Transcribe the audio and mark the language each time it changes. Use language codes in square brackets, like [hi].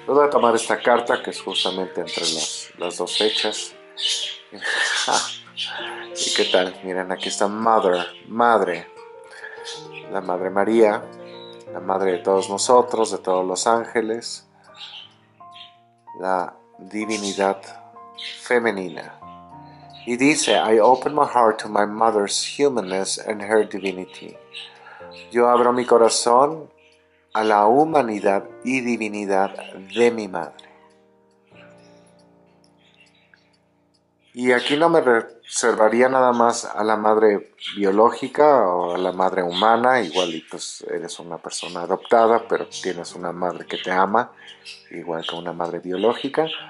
[es] Voy a tomar esta carta, que es justamente entre las dos fechas. ¿Y qué tal? Miren, aquí está Madre. La Madre María, la Madre de todos nosotros, de todos los ángeles. La Divinidad Femenina. Y dice, [en] I open my heart to my mother's humanness and her divinity. [es] Yo abro mi corazón a la humanidad y divinidad de mi madre. Y aquí no me reservaría nada más a la madre biológica o a la madre humana, igual y pues eres una persona adoptada, pero tienes una madre que te ama, igual que una madre biológica.